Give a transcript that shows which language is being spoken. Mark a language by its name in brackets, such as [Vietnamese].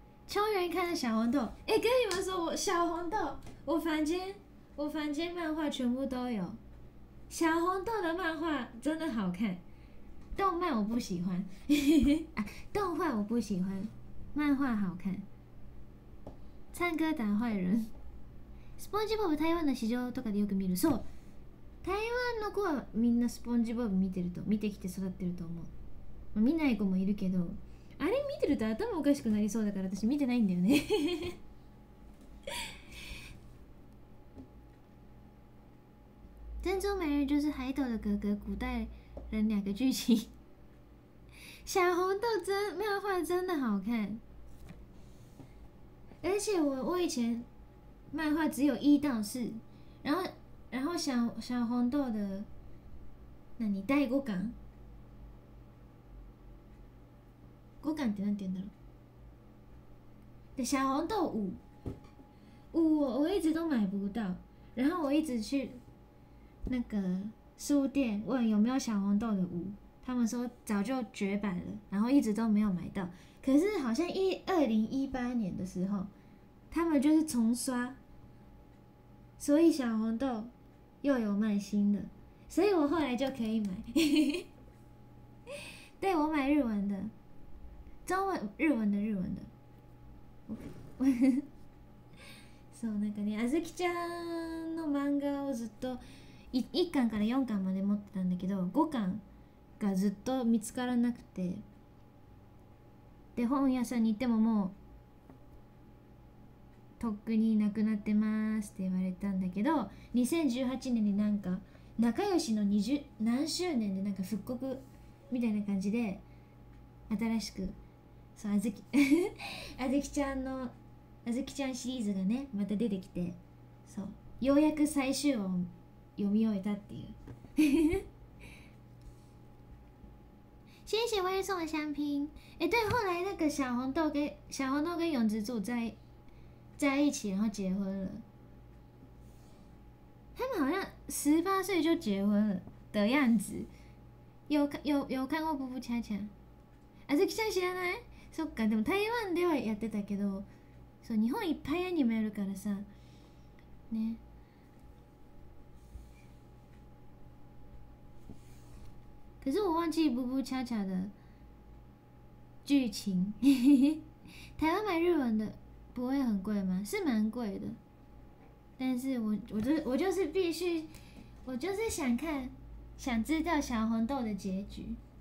[Chinese] 秋元看的小红豆，欸，跟你们说，我小红豆，我房间漫画全部都有。小红豆的漫画真的好看，动漫我不喜欢，啊，动画我不喜欢，漫画好看。唱歌打坏人。 [Japanese] SpongeBob 台湾的市場とかでよく見る。そう，台湾の子はみんな SpongeBob 見てきて育ってると思う。まあ、見ない子もいるけど。あれ見てると頭おかしくなりそうだから私見てないんだよね。 [Chinese] 珍珠美人鱼就是海斗的哥哥，古代人两个剧情。小红豆真漫画真的好看，而且我以前漫画只有一到四，然后小红豆的，那你带过港？ [Japanese] 五感ってなんて言うんだろう。 [Chinese] で、小紅豆五。五我一直都買不到。然后我一直去、那个、书店问有没有小紅豆的五。他们说早就绝版了。然后一直都没有买到。可是好像2018年的时候、他们就是重刷。所以小紅豆又有卖新的。所以我后来就可以买。对，我买日文的。中文日文的， [Japanese] そう、なんかね、あずきちゃんの漫画をずっと1巻から4巻まで持ってたんだけど、5巻がずっと見つからなくて、で本屋さんに行ってももうとっくになくなってますって言われたんだけど、2018年になんか仲良しの何周年でなんか復刻みたいな感じで新しく、そう、あずきあずきちゃんのあずきちゃんシリーズがねまた出てきて、そう、ようやく最終話を読み終えたっていう。 [Chinese] 谢谢我也送的香槟。哎，对，后来那个小红豆跟小红豆跟永植柱在一起，然后结婚了。他们好像18岁就结婚了的样子。有看过《步步恰恰》？ [Japanese] あずきちゃん知らない？そっか、でも台湾ではやってたけど、そう、日本いっぱいアニメあるからさ、ね。 [Chinese] 可是我忘记《步步恰恰》的剧情。台湾买日文的不会很贵吗？是蛮贵的，但是我就是必须，我就是想看，想知道小红豆的结局。